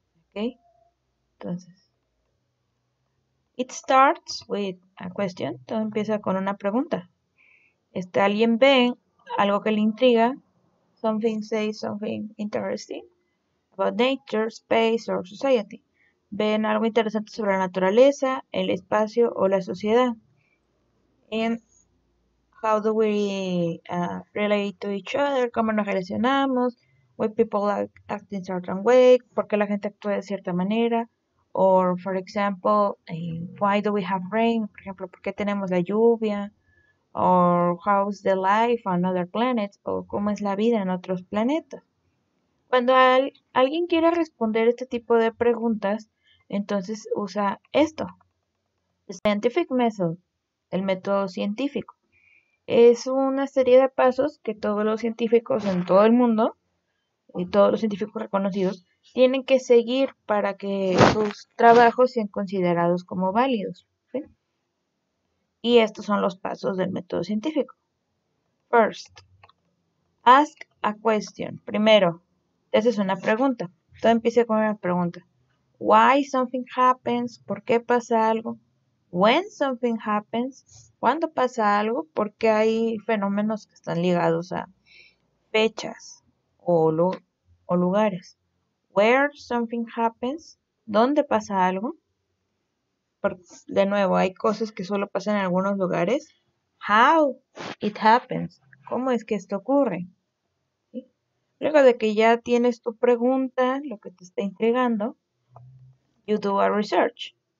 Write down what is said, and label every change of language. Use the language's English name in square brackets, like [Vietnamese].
[Spanish] Okay, entonces, [English] it starts with a question, [Spanish] todo empieza con una pregunta. Alguien ve algo que le intriga, [English] something says something interesting. About nature, space or society. [Spanish] Ven algo interesante sobre la naturaleza, el espacio o la sociedad. [English] And how do we relate to each other? [Spanish] ¿Cómo nos relacionamos? [English] Why people act in certain way? [Spanish] ¿Por qué la gente actúa de cierta manera? [English] Or, for example, why do we have rain? [Spanish] Por ejemplo, ¿por qué tenemos la lluvia? [English] Or, how's the life on other planets? [Spanish] ¿O cómo es la vida en otros planetas? Cuando alguien quiere responder este tipo de preguntas, entonces usa esto. Scientific method, el método científico. Es una serie de pasos que todos los científicos en todo el mundo, y todos los científicos reconocidos, tienen que seguir para que sus trabajos sean considerados como válidos, ¿sí? Y estos son los pasos del método científico. [English] First, ask a question. [Spanish] Primero, esa es una pregunta. Todo empieza con una pregunta. [English] Why something happens? [Spanish] ¿Por qué pasa algo? [English] When something happens? [Spanish] ¿Cuándo pasa algo? ¿Por qué hay fenómenos que están ligados a fechas o lugares? [English] Where something happens? [Spanish] ¿Dónde pasa algo? Porque, de nuevo, hay cosas que solo pasan en algunos lugares. [English] How it happens? [Spanish] ¿Cómo es que esto ocurre? Luego de que ya tienes tu pregunta, lo que te está intrigando, [English] you do a research.